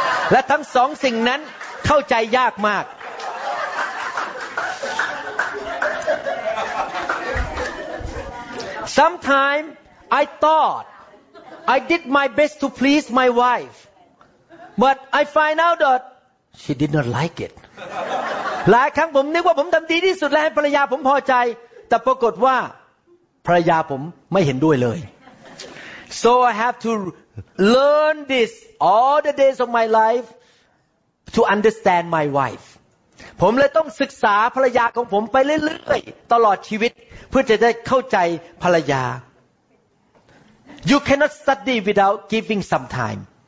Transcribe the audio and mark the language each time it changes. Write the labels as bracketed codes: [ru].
[th] และทั้งสองสิ่งนั้นเข้าใจยากมาก [en] Sometime I thought I did my best to please my wife. But I find out that she did not like it. [th] หลายครั้งผมนึกว่าผมทำดีที่สุดแล้วให้ภรรยาผมพอใจแต่ปรากฏว่าภรรยาผมไม่เห็นด้วยเลย [en] So I have to learn this all the days of my life to understand my wife. [th] ผมเลยต้องศึกษาภรรยาของผมไปเรื่อยๆตลอดชีวิตเพื่อจะได้เข้าใจภรรยา [en] You cannot study without giving some time.